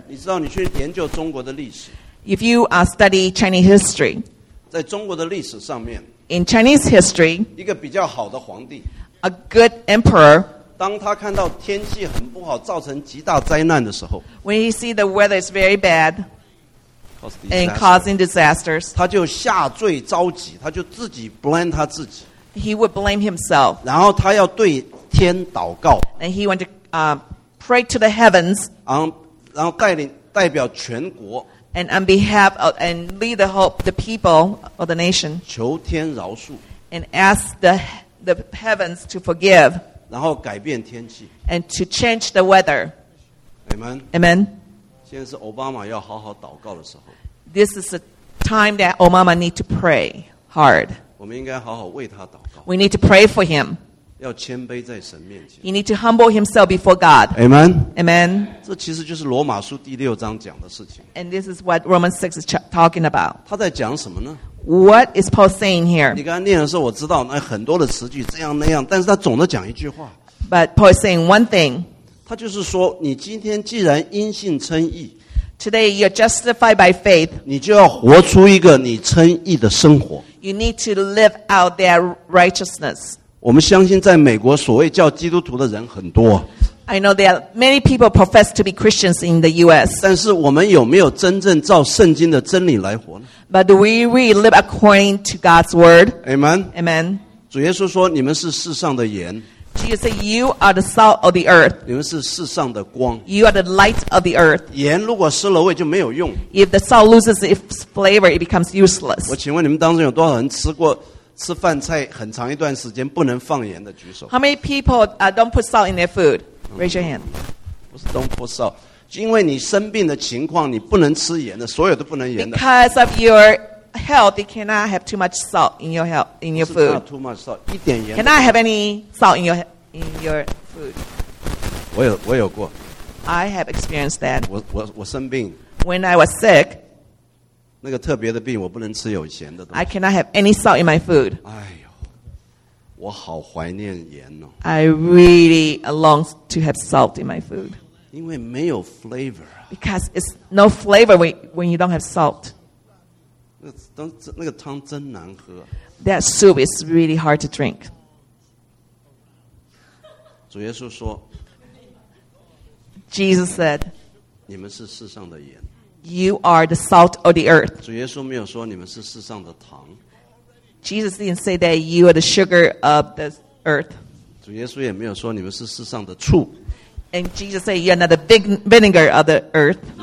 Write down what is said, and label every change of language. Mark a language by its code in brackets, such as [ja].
[zh] 你知道你去研究中国的历史。 [en] If you study Chinese history. [zh] 在中国的历史上面。 [en] In Chinese history. [zh] 一个比较好的皇帝。 [en] A good emperor. [zh] 当他看到天气很不好，造成极大灾难的时候。 [en] When he see the weather is very bad. And causing disasters. [zh] 他就下罪召集，他就自己 blame 他自己。 [en] He would blame himself. [zh] 然后他要对天祷告。 [en] And he went to pray to the heavens. [zh] 然后代表全国。 [en] And on behalf of, and lead the hope, the people of the nation. [zh] 求天饶恕。 [en] And ask the heavens to forgive. [zh] 然后改变天气。 [en] And to change the weather. Amen. Amen. [zh] 现在是奥巴马要好好祷告的时候。 [en] This is a time that Obama need to pray hard. [zh] 我们应该好好为他祷告。 [en] We need to pray for him. [zh] 要谦卑在神面前。 [en] He need to humble himself before God. Amen. Amen. [zh] 这其实就是罗马书第六章讲的事情。 [en] And this is what Romans 6 is talking about. [zh] 他在讲什么呢？ [en] What is Paul saying here? [zh] 你刚才念的时候，我知道那很多的词句这样那样，但是他总的讲一句话。 [en] But Paul is saying one thing. [zh] 他就是说，你今天既然因信称义 [en] ，Today you're justified by faith. [zh] 你就要活出一个你称义的生活。 [en] You need to live out that righteousness. [zh] 我们相信在美国所谓叫基督徒的人很多。 [en] I know there are many people profess to be Christians in the US. [zh] 但是我们有没有真正照圣经的真理来活呢？ [en] But do we really live according to God's word? Amen. Amen. [zh] 主耶稣说你们是世上的盐。 [en] Jesus said you are the salt of the earth. [zh] 你们是世上的光。 [en] You are the light of the earth. [zh] 盐如果失了味就没有用。 [en] If the salt loses its flavor, it becomes useless. [zh] 我请问你们当中有多少人吃过吃饭菜很长一段时间不能放盐的举手。 [en] How many people don't put salt in their food? Raise your hand. [zh] 不是 [en] don't put salt， [zh] 因为你生病的情况，你不能吃盐的，所有都不能盐的。 [en] Because of your health, you cannot have too much salt in your health in your food. Not too much salt， [zh] 一点盐。 [en] Cannot have any salt in your food. [zh] 我有过。 [en] I have experienced that. [zh] 我生病。 [en] When I was sick. [zh] 那个特别的病，我不能吃有咸的东西。 [en] I cannot have any salt in my food. [zh] 哎呦，我好怀念盐哦。 [en] I really long to have salt in my food. [zh] 因为没有 flavor 啊。 [en] Because it's no flavor when you don't have salt. [zh] 那个汤真难喝。 [en] That soup is really hard to drink. [zh] 主耶稣说。 [en] Jesus said. [zh] 你们是世上的盐。 [en] You are the salt of the earth. [zh] 主耶稣没有说你们是世上的糖。 [en] Jesus didn't say that you are the sugar of the earth. [zh] 主耶稣也没有说你们是世上的醋。 [en] And Jesus said you are not the big vinegar of the earth.